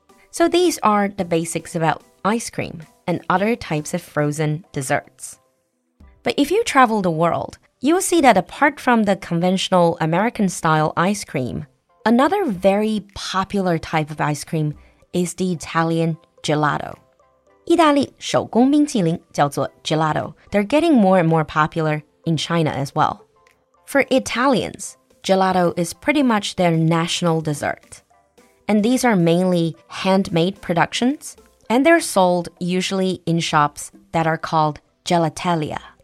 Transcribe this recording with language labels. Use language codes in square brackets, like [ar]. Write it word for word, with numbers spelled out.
[en] So these are the basics about ice cream and other types of frozen desserts. But if you travel the world, you'll see that apart from the conventional American-style ice cream, another very popular type of ice cream is the Italian gelato. [zh] 意大利手工冰淇淋叫做 gelato. [en] They're getting more and more popular in China as well. For Italians, gelato is pretty much their national dessert. And these are mainly handmade productions, and they're sold usually in shops that are called gelateria.